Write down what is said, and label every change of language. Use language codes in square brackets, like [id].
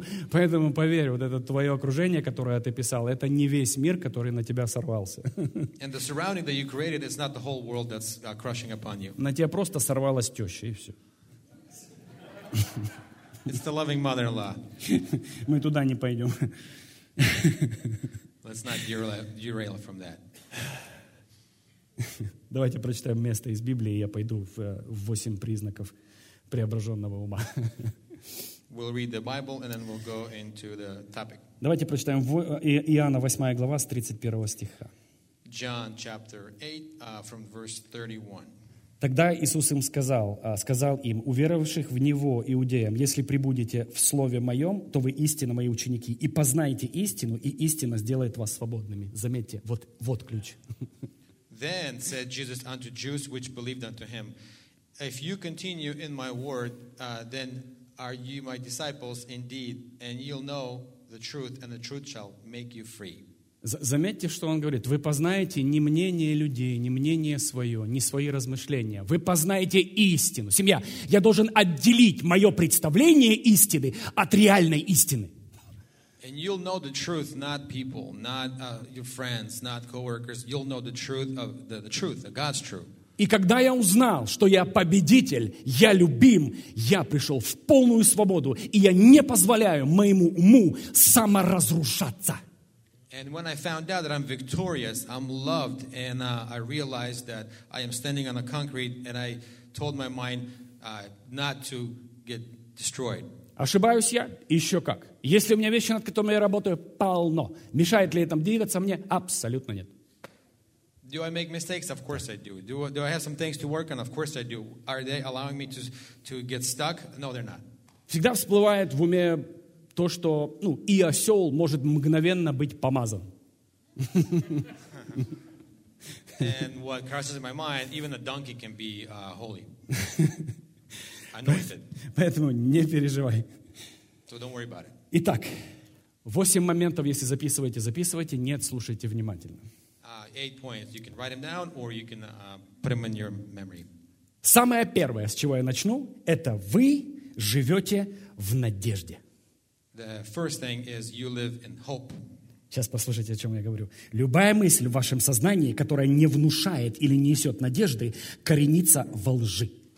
[ru] Поэтому поверь, вот это твое окружение, которое ты писал, это не весь мир, который на тебя сорвался. [en] And the surrounding that you created is not the whole world that's crushing upon you. [ru] На тебя просто сорвалась теща, и все. [en] It's the loving mother-in-law. [ru] Мы туда не пойдем. [en] Let's not derail from that. [ru] Давайте прочитаем место из Библии, и я пойду в восемь признаков преображенного ума. [en] We'll read the Bible and then we'll go into the topic. [ru] Давайте прочитаем Иоанна 8 глава с 31 стиха. [en] John chapter 8 from verse 31. [ru] Тогда Иисус им сказал им, уверовавших в Него иудеям, если прибудете в Слове Моем, то вы истинно Мои ученики, и познаете истину, и истина сделает вас свободными. Заметьте, вот ключ. [en] Then said Jesus unto Jews which believed unto Him, if you continue in My word, then are you My disciples indeed, and you'll know the truth, and the truth shall make you free. [ru] Заметьте, что он говорит. Вы познаете не мнение людей, не мнение свое, не свои размышления. Вы познаете истину. Семья, я должен отделить мое представление истины от реальной истины. [en] And you'll know the truth, not people, not your friends, not coworkers. You'll know the truth of the truth, of God's truth. [ru] И когда я узнал, что я победитель, я любим, я пришел в полную свободу, и я не позволяю моему уму саморазрушаться. [en] And when I found out that I'm victorious, I'm loved, and I realized that I am standing on the concrete, and I told my mind not to get destroyed. [ru] Ошибаюсь я? Еще как. Если у меня вещи, над которыми я работаю, полно. Мешает ли это двигаться мне? Абсолютно нет. [en] Do I make mistakes? Of course I do. Do I have some things to work on? Of course I do. Are they allowing me to get stuck? No, they're not. [ru] Всегда всплывает в уме то, что ну, и осел может мгновенно быть помазан. [en] And what crosses my mind, even a donkey can be holy. Anointed. [ru] Поэтому не переживай. [en] So don't worry about it. [ru] Итак, восемь моментов, если записываете, записывайте. Нет, слушайте внимательно. [en] Eight points. You can write them down or you can put them in your memory. [ru] Самое первое, с чего я начну, это вы живете в надежде. [en] The first thing is you live in hope. [ru] Сейчас послушайте, о чем я говорю. Любая мысль в вашем сознании, которая не внушает или несет надежды, коренится во лжи.